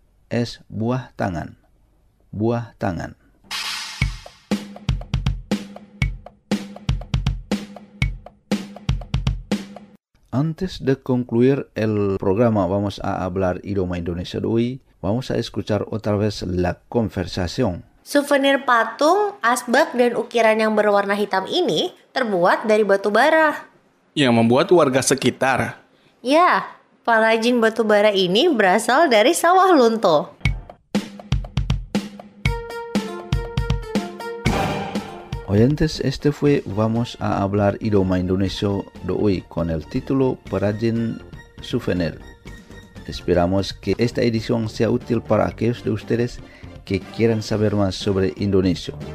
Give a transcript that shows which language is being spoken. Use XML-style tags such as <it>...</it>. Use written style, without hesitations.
<es>Es buah tangan. Buah tangan. Antes de concluir el programa, vamos a hablar idioma indonesio de hoy. Vamos a escuchar otra vez la conversación.</es> <id>Souvenir patung, asbak, dan ukiran yang berwarna hitam ini terbuat dari batu bara. Yang membuat warga sekitar. Ya, perajin batu bara ini berasal dari sawah lunto.</id> <es>Oyentes, este fue Vamos a hablar idioma indonesio de hoy con el título Perajin Souvenir. Esperamos que esta edición sea útil para aquellos de ustedes que quieran saber más sobre Indonesia.</es>